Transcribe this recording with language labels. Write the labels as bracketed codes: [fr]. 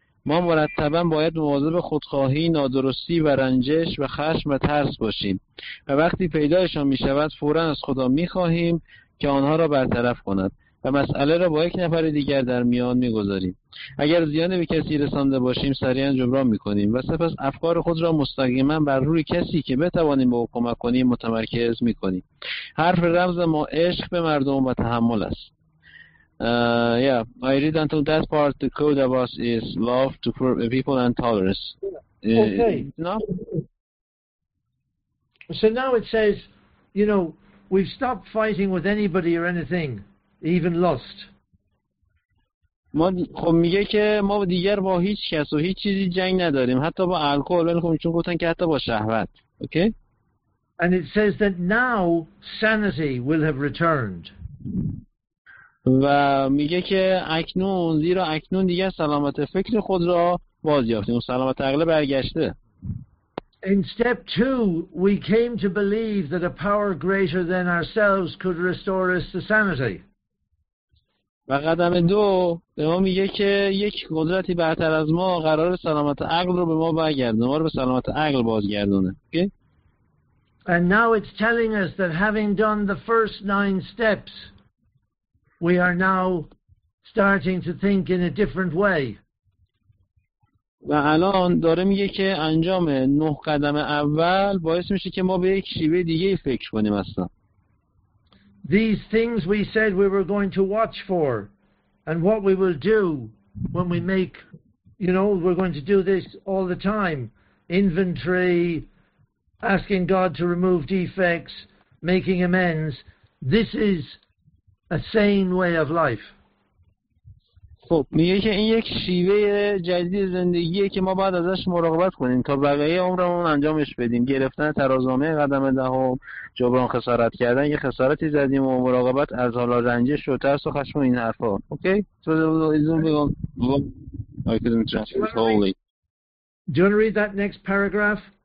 [fa] ما مرتبا باید مواظب خودخواهی، نادرستی و رنجش و خشم و ترس باشیم و وقتی پیدایشان می شود فورا از خدا می خواهیم که آنها را برطرف کند و مسئله را با یک نفر دیگر در میان می گذاریم. اگر زیان به کسی رسانده باشیم سریعا جبران می کنیم و سپس افکار خود را مستقیما بر روی کسی که بتوانیم به او کمک کنیم متمرکز می کنیم. حرف رمز ما عشق به مردم و تحمل است. [en] I read until that part. The code of us is love to people and tolerance. Okay. So now it says, you know, we've stopped fighting with anybody or anything. Even lost. [fa] ما خب میگه که ما دیگر با هیچ کس و هیچ چیزی جنگ نداریم، حتی با الکل، ولی خب چون گفتن که حتی با شهوت. اوکی؟ [en] And it says that now sanity will have returned. [fa] و میگه که اکنون، زیرا اکنون دیگر سلامت فکر خود را باز یافتیم، سلامت عقل برگشته. [en] In step 2 we came to believe that a power greater than ourselves could restore us to sanity. [fa] و قدم دو به ما میگه که یک قدرتی برتر از ما قرار سلامت عقل رو به ما برگردونه، ما رو به سلامت عقل بازگردونه. [en] Okay? And now it's telling us that having done the first 9 steps we are now starting to think in a different way. [fa] و الان داره میگه که انجام 9 قدم اول باعث میشه که ما به یک شیوه دیگه فکر کنیم اصلا. [en] These things we said we were going to watch for and what we will do when we make, you know, we're going to do this all the time. Inventory, asking God to remove defects, making amends. This is a sane way of life. [fa] خب میگه که این یک شیوه جدید زندگیه که ما باید ازش مراقبت کنیم تا بقیه عمرمون انجامش بدیم. گرفتن ترازنامه قدم دهم، جبران خسارت کردن، یه خسارتی زدیم و مراقبت از حالا رنجش و ترس و خشم و این حرفا. اوکی؟ تو ایزون بگم [en] I couldn't transfer it wholly. Do you want to read that next paragraph?